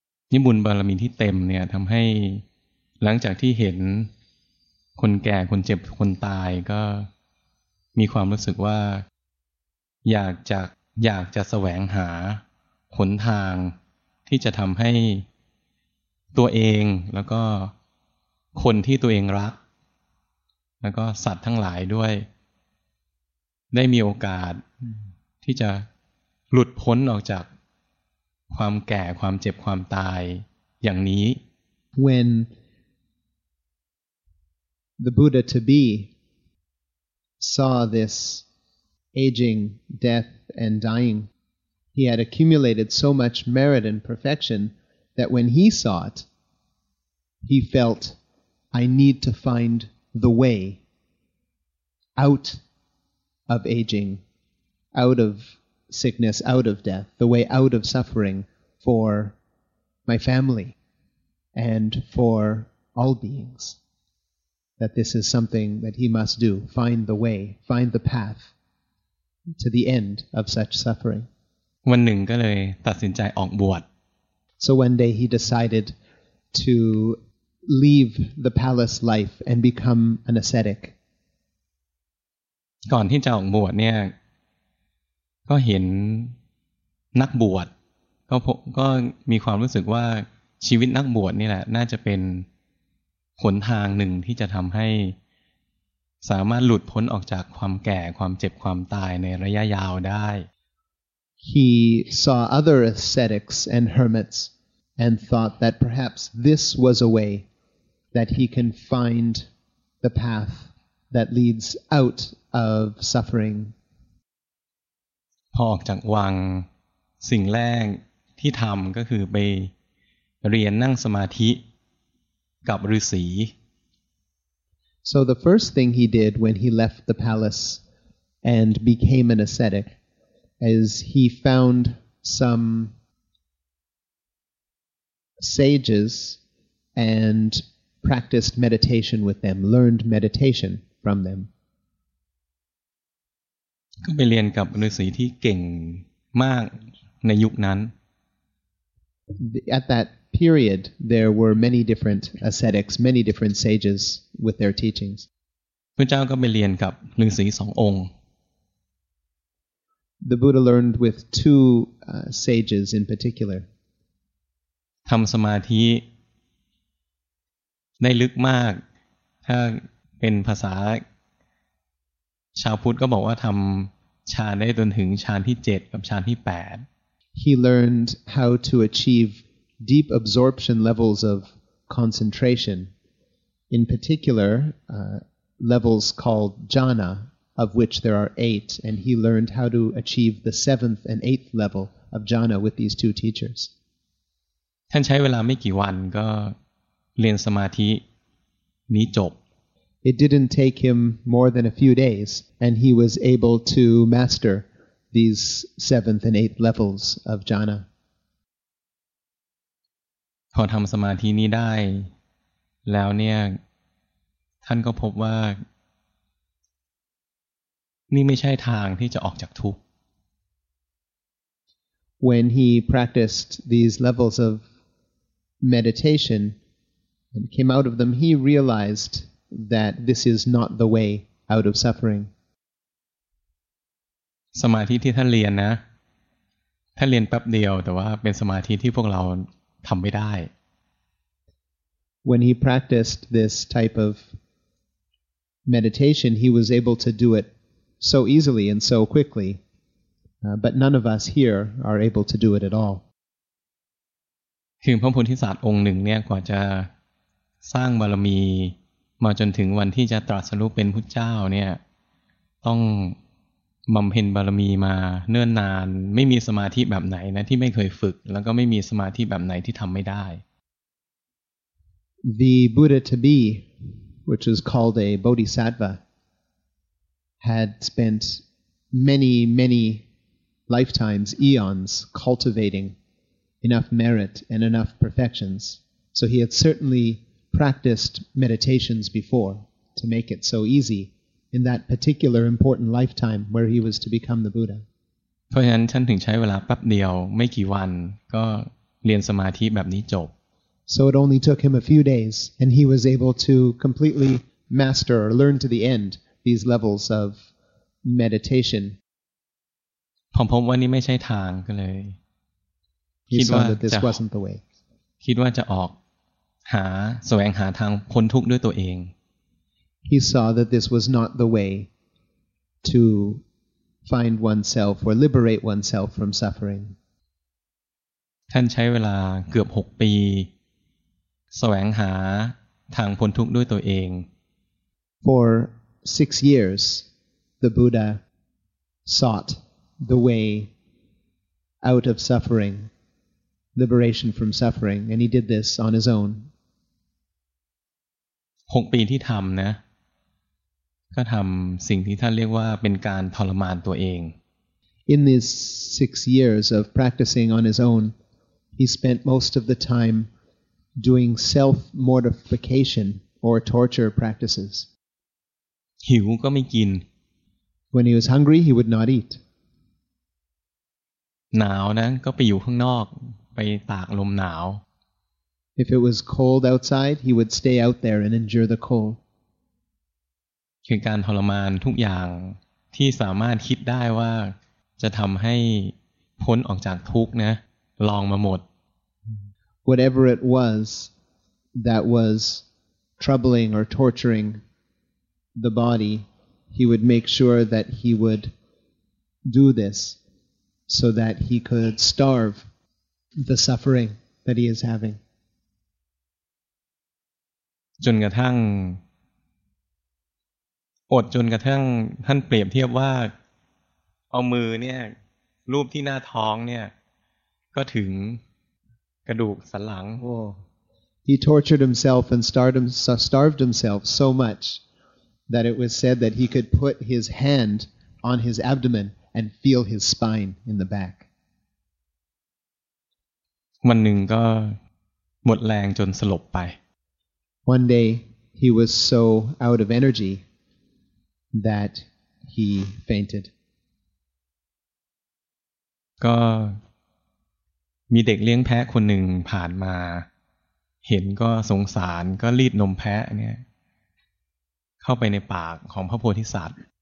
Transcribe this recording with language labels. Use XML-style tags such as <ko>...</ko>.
<th>นี่บุญบารมีที่เต็มเนี่ยทำให้หลังจากที่เห็นคนแก่คนเจ็บคนตายก็มีความรู้สึกว่าอยากจะแสวงหาหนทางที่จะทำให้ตัวเองแล้วก็คนที่ตัวเองรักแล้วก็สัตว์ทั้งหลายด้วย ได้มีโอกาสที่จะหลุดพ้นออกจากความแก่ความเจ็บความตายอย่างนี้</th> <en>whenThe Buddha to be saw this aging, death, and dying. He had accumulated so much merit and perfection that when he saw it, he felt, I need to find the way out of aging, out of sickness, out of death, the way out of suffering for my family and for all beings. That this is something that he must do. Find the way, find the path to the end of such suffering.</en> <th>วันหนึ่งก็เลยตัดสินใจออกบวช</th> <en>So one day he decided to leave the palace life and become an ascetic</en> <th>ก่อนที่จะออกบวชเนี่ยก็เห็นนักบวชก็มีความรู้สึกว่าชีวิตนักบวชนี่แหละน่าจะเป็นหนทางหนึ่งที่จะทำให้สามารถหลุดพ้นออกจากความแก่ความเจ็บความตายในระยะยาวได้</th> <en>He saw other ascetics and hermits and thought that perhaps this was a way that he can find the path that leads out of suffering.</en> <th>พอออกจากวังสิ่งแรกที่ทำก็คือไปเรียนนั่งสมาธิกับฤาษี</th> <en>So the first thing he did when he left the palace and became an ascetic as he found some sages and practiced meditation with them learned meditation from them</en> <th>ก็ไปเรียนกับฤาษีที่เก่งมากในยุคนั้น</th> <en>at that period there were many different ascetics many different sages with their teachings</en> <th>พระเจ้าก็ไปเรียนกับฤาษี2องค์</th> <en>The Buddha learned with two sages in particular.</en> <th>ทำสมาธิได้ลึกมากถ้าเป็นภาษาชาวพุทธก็บอกว่าทำฌานได้จนถึงฌานที่7กับฌานที่8</th> <en>He learned how to achieve deep absorption levels of concentration. In particular, levels called jhana. Of which there are eight, and he learned how to achieve the seventh and eighth level of jhana with these two teachers.</en> <th>ท่านใช้เวลาไม่กี่วันก็เรียนสมาธินี้จบ</th> <en>It didn't take him more than a few days, and he was able to master these seventh and eighth levels of jhana.</en> <th>พอทำสมาธินี้ได้แล้วเนี่ยท่านก็พบว่านี่ไม่ใช่ทางที่จะออกจากทุกข์</th> <en>When he practiced these levels of meditation and came out of them he realized that this is not the way out of suffering</en> <th>สมาธิที่ท่านเรียนนะท่านเรียนแป๊บเดียวแต่ว่าเป็นสมาธิที่พวกเราทำไม่ได้</th> <en>When he practiced this type of meditation he was able to do itSo easily and so quickly, but none of us here are able to do it at all.</en> <th>คือพระโพธิสัตว์องค์หนึ่งเนี่ยกว่าจะสร้างบารมีมาจนถึงวันที่จะตรัสรู้เป็นพุทธเจ้าเนี่ยต้องบำเพ็ญบารมีมาเนิ่นนานไม่มีสมาธิแบบไหนนะที่ไม่เคยฝึกแล้วก็ไม่มีสมาธิแบบไหนที่ทำไม่ได้</th> <en>The Buddha to be, which is called a Bodhisattva. Had spent many, many lifetimes, eons, cultivating enough merit and enough perfections. So he had certainly practiced meditations before to make it so easy in that particular important lifetime where he was to become the Buddha.</en> <th>เพราะฉะนั้นท่านถึงใช้เวลาแป๊บเดียวไม่กี่วันก็เรียนสมาธิแบบนี้จบ</th> <en>So it only took him a few days, and he was able to completely master or learn to the end. These levels of meditation.</en> <th>ผมพบว่านี่ไม่ใช่ทางก็เลย คิดว่า</th> <en>this wasn't the way.</en> <th>คิดว่าจะออกหาแสวงหาทางพ้นทุกข์ด้วยตัวเอง</th> <en>He saw that this was not the way to find oneself or liberate oneself from suffering.</en> <th>ท่านใช้เวลาเกือบ6ปีแสวงหาทางพ้นทุกข์ด้วยตัวเอง</th> <en>For 6 years, the Buddha sought the way out of suffering, liberation from suffering, and he did this on his own.</en> <th>6 ปีที่ทำนะก็ทำสิ่งที่ท่านเรียกว่าเป็นการทรมานตัวเอง</th> <en>In these 6 years of practicing on his own, he spent most of the time doing self-mortification or torture practices.</en> <th>หิวก็ไม่กิน</th> <en>When he was hungry, he would not eat.</en> <th>หนาวนะก็ไปอยู่ข้างนอกไปตากลมหนาว</th> <en>If it was cold outside he would stay out there and endure the cold</en> <th>คือการทรมานทุกอย่างที่สามารถคิดได้ว่าจะทำให้พ้นออกจากทุกข์นะลองมาหมด</th> <en>Whatever it was that was troubling or torturing the body he would make sure that he would do thisso that he could starve the suffering that he is having.</en> <th>จนกระทั่งอดจนกระทั่งท่านเปรียบเทียบว่าเอามือเนี่ยรูปที่หน้าท้องเนี่ยก็ถึงกระดูกสันหลัง</th> <en>He tortured himself and starved himself so much that it was said that he could put his hand on his abdomen. And feel his spine in the back.</en> <th>One หนึ่งก็หมดแรงจนสลบไป</th> <en>One day he was so out of energy that he fainted.</en> <th>ก็มีเด็กเลี้ยงแพะคนหนึ่งผ่านมาเห็นก็สงสารก็รีดนมแพะเนี่ยเข้าไปในปากของพระโพธิสัตว์</th>